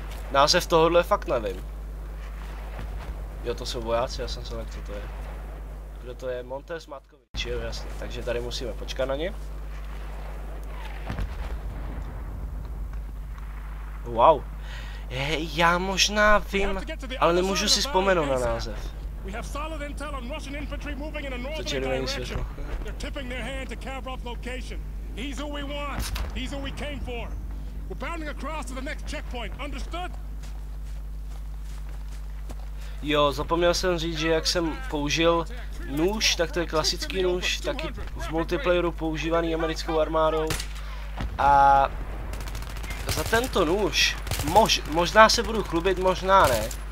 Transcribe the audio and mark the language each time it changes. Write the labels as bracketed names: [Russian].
[Czech] Název tohohle fakt nevím. Jo, to jsou vojáci, já jsem se nevím, co to je. Kdo to je? Montez Matkovič, jo, jasně. Takže tady musíme počkat na ně. Wow. Hej, já možná vím, ale nemůžu si vzpomenout na název. [English] We have solid intel on Russian infantry moving in a northern direction. They're tipping their hand to Kavrov's location. He's who we want. He's who we came for. We're bounding across to the next checkpoint. Understood? [Czech] Jo, zapomněl jsem říct, že jak jsem použil nůž, tak to je klasický nůž, taky v multiplayeru používaný americkou armádou. A za tento nůž možná se budu chlubit, možná ne.